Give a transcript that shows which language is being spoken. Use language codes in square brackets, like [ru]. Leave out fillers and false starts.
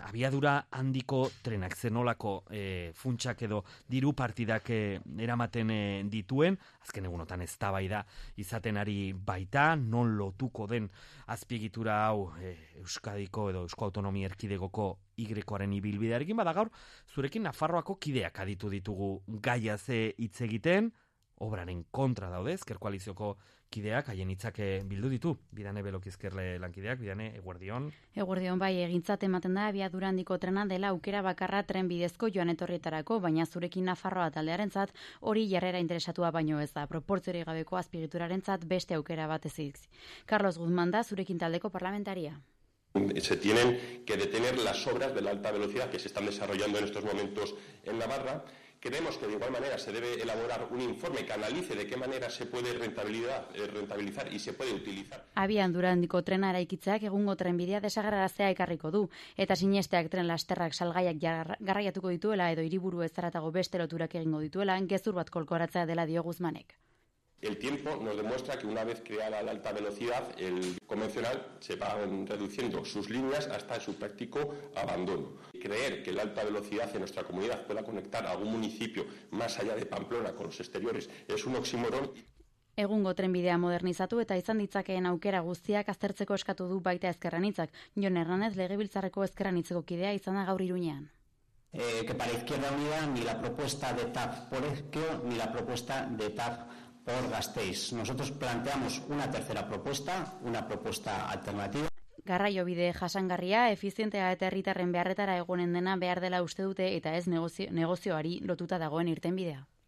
[eu] Abiadura handiko trenak zenolako funtsak edo diru partidak eramaten dituen, azken egunotan eztabaida izaten ari baita, non lotuko den azpiegitura hau Euskadiko edo Eusko Autonomia Erkidegoko Y-koaren ibilbidearekin, bada gaur, zurekin Nafarroako kideak aditu ditugu gaiaz hitz egiten, obraren kontra daude, Ezker Koalizioko kideak haien hitzak bildu ditu, Bidane Belokizkerle lankideak, Bidane, eguerdion. Eguerdion, bai, egintzat ematen da, abiadura handiko trena dela aukera bakarra tren bidezko joan etorrietarako, baina zurekin Nafarroa taldearen zat, hori jarrera interesatua baino ez da, proportziori gabeko azpigituraren zat beste aukera bat ezik. Carlos Guzmán da, zurekin taldeko parlamentaria. [es] Se tienen que detener las obras de la alta velocidad que se están desarrollando en estos momentos en Navarra. Creemos que de igual manera se debe elaborar un informe que analice de qué manera se puede rentabilizar y se puede utilizar. [eu] Abian durandiko trena eraikitzeak egungo trenbidea desagerrarazea ekarriko du, eta sinesteak tren lasterrak salgaiak garraiatuko dituela edo hiriburu ezaratago beste loturak egingo dituela, gezur bat kolkoratzea dela dio Guzmanek. [es] El tiempo nos demuestra que una vez creada la alta velocidad, el convencional se va reduciendo sus líneas hasta su práctico abandono. Creer que la alta velocidad en nuestra comunidad pueda conectar algún municipio más allá de Pamplona con los exteriores es un oxímoron. [eu] Egungo trenbidea modernizatu eta izan ditzakeen aukera guztiak aztertzeko eskatu du baita Ezkerranitzak. Jon Hernández Legebiltzarreko Ezkerranitzeko kidea izan da gaur Iruñean. [es] Que para Izquierda Unida ni la propuesta de TAF por Ezkio ni la propuesta de TAF por Gasteiz. Nosotros planteamos una tercera propuesta, una propuesta alternativa. [eu] Garraio bide jasangarria, efizientea eta herritarren beharretara egonen dena behar dela uste dute eta ez negozioari lotuta dagoen irtenbidea.